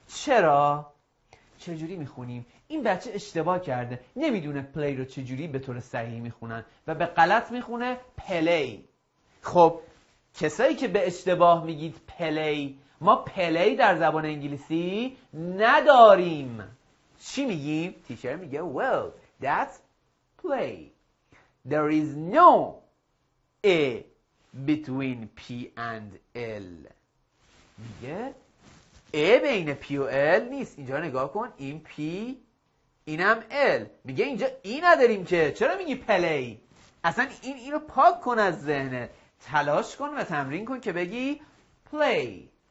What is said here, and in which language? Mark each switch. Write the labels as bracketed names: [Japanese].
[Persian] چرا؟ چجوری میخونیم؟ این بچه اشتباه کرده، نمیدونه پلی رو چجوری به طور صحیح میخونن و به غلط میخونه پلی. خب کسایی که به اشتباه میگید پلی، ما پلی در زبان انگلیسی نداریم، چی میگیم؟ تیچر میگه [English] well that's play. There is no a between p and l. [Persian] میگه a بین p و l نیست. اینجا نگاه کن، این p اینم l. میگه اینجا ای نداریم که. چرا میگی play؟ اصلا اینو پاک کن از ذهنت، تلاش کن و تمرین کن که بگی play.